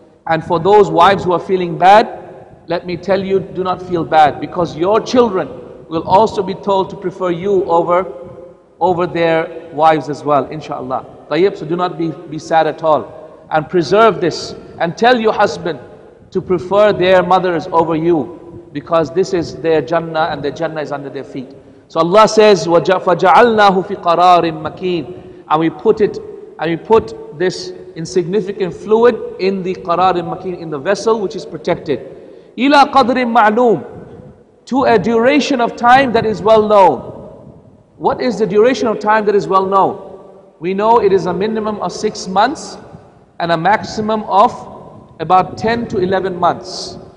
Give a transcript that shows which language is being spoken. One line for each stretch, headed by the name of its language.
English: And for those wives who are feeling bad, let me tell you, do not feel bad, because your children will also be told to prefer you over their wives as well, inshallah. Tayyib, so do not be sad at all. And preserve this. And tell your husband to prefer their mothers over you, because this is their Jannah and their Jannah is under their feet. So Allah says,
Arabic: وَجَعَلْنَاهُ فِي قَرَارٍ مَكِينٍ.
English: And we put it, and we put this insignificant fluid in the
Arabic: qararin makin,
English: in the vessel which is protected.
Arabic: Ila qadrin ma'lum,
English: to a duration of time that is well known. What is the duration of time that is well known? We know it is a minimum of 6 months and a maximum of about 10 to 11 months.